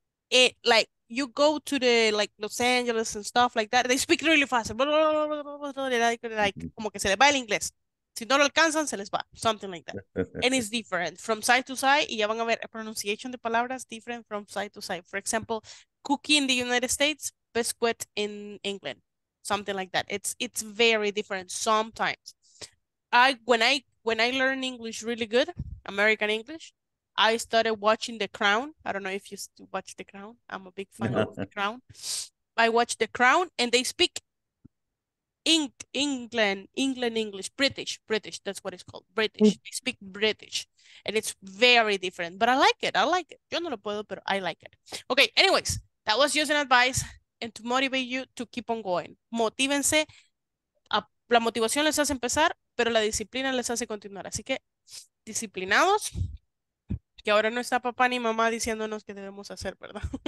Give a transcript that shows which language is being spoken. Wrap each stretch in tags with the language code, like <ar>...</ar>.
<en>It, like, you go to the like Los Angeles and stuff like that, they speak really fast.</en> <es>Like, como que se les va el inglés. Si no lo alcanzan, se les va.</es> <en>Something like that. And it's different from side to side.</en> <es>Y ya van a ver a pronunciation de palabras</es> <en>different from side to side. For example, cookie in the United States, biscuit in England. Something like that. It's very different sometimes. When I learn English really good, American English, I started watching The Crown. I don't know if you watch The Crown. I'm a big fan of The Crown. I watch The Crown and they speak England English, British. That's what it's called, British. They speak British and it's very different, but I like it.</en> <es>Yo no lo puedo, pero</es> <en>I like it. Okay, anyways, That was just an advice and to motivate you to keep on going.</en> <es>Motívense. La motivación les hace empezar, pero la disciplina les hace continuar. Así que, disciplinados. Que ahora no está papá ni mamá diciéndonos qué debemos hacer, ¿verdad?</es>